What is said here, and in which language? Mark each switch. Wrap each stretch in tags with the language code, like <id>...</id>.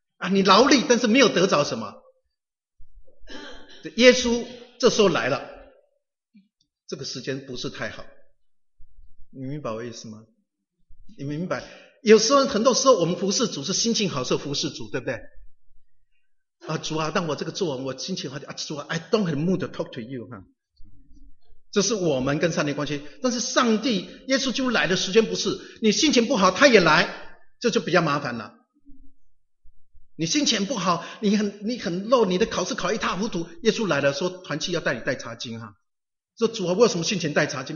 <zh>你劳力，但是没有得着什么。耶稣这时候来了，这个时间不是太好，你明白我意思吗？你明白？有时候很多时候，我们服侍主是心情好时候服侍主，对不对？主啊，当我这个做完，我心情好点。</zh> <en>主啊 ，I don't have mood to talk to you 哈。</en> <zh>这是我们跟上帝关系，但是上帝耶稣基督来的时间不是，你心情不好他也来，这就比较麻烦了。你心情不好，你很 low， 你的考试考一塌糊涂，耶稣来了说团契要带你带查经哈，说主啊，我有什么心情带查经？</zh>